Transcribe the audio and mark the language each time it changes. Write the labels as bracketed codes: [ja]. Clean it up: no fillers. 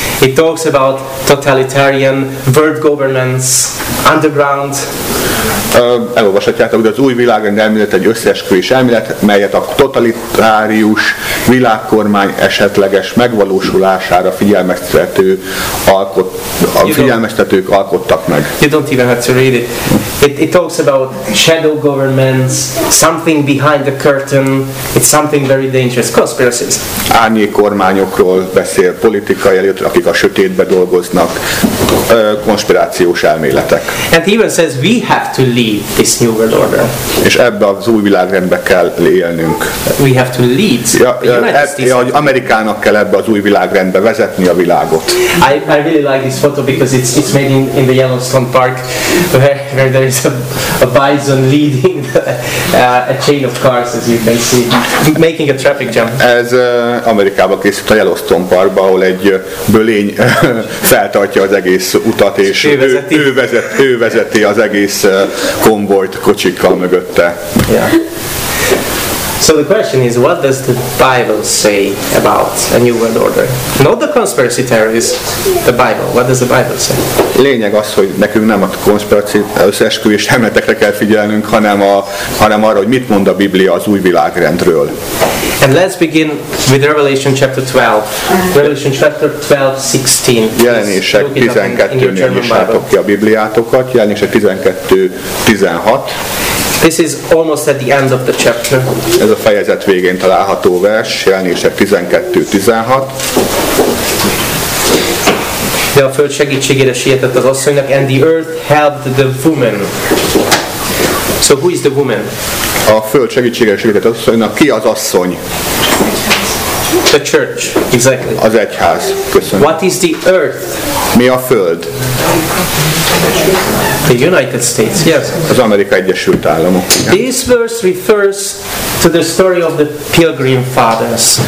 [en] It talks about totalitarian world governments, underground. [hu] Elolvashatjátok, hogy az új világrend elmélet egy összeesküvés elmélet, melyet a totalitárius világkormány esetleges megvalósulására figyelmeztetők alkottak meg. [en] You don't even have to read it. It talks about shadow governments, something behind the curtain, it's something very dangerous, conspiracies. [hu] Árnyék kormányokról beszél, politikai elit, akik a sötétbe dolgoznak, konspirációs elméletek. [en] And he even says we have to lead this new world order. [hu] És ebbe az új világrendbe kell élnünk. [en] We have to lead. [hu] Amerikának kell ebbe az új világrendbe vezetni a világot. [en] I really like this photo because it's made in the Yellowstone Park where there is a bison leading a chain of cars, as you can see, making a traffic jam. [hu] Ez Amerikában készült a Yellowstone Parkban, ahol egy bölény feltartja az egész utat, és ő vezeti az egész konvojt kocsikkal mögötte. [en] Yeah. So the question is, what does the Bible say about a new world order? Not the conspiracy theories, the Bible. What does the Bible say? [hu] Lényeg az, hogy nekünk nem a összeesküvés elméletekre kell figyelnünk, hanem arra, hogy mit mond a Biblia az új világrendről. [en] And let's begin with Revelation chapter 12. Revelation chapter 12:16. [hu] Jelenések 12-nél nyissátok ki a Bibliátokat. Jelenések 12:16. [en] This is almost at the end of the chapter. [hu] Ez a fejezet végén található vers, Jelenések 12:16. De a föld segítségére sietett az asszonynak, [en] and the earth helped the woman. So who is the woman? [hu] A föld segítségére sietett az asszonynak, ki az asszony? [en] The church, exactly. [hu] Az egyház, köszönöm. [en] What is the earth? [hu] Mi a föld? [en] The United States, yes. [hu] Az Amerika Egyesült Államok. [en] This verse refers to the story of the Pilgrim Fathers.